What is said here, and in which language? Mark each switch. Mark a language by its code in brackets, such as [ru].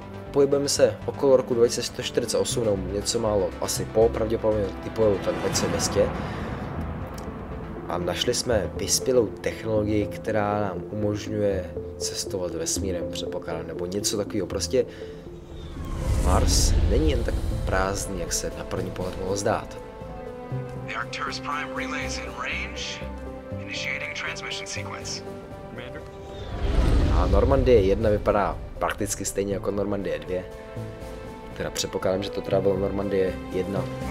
[cs] Pohybujeme se okolo roku 2148, nebo něco málo, asi po, pravděpodobně typuju tak 2200. A našli jsme vyspělou technologii, která nám umožňuje cestovat vesmírem, předpokládám, nebo něco takového. Prostě Mars není jen tak prázdný, jak se na první pohled mohlo zdát. [en] The Arcturus Prime relay is in range. Initiating transmission sequence. [cs] A Normandie 1 vypadá prakticky stejně jako Normandie 2. Teda předpokládám, že to teda bylo Normandie 1.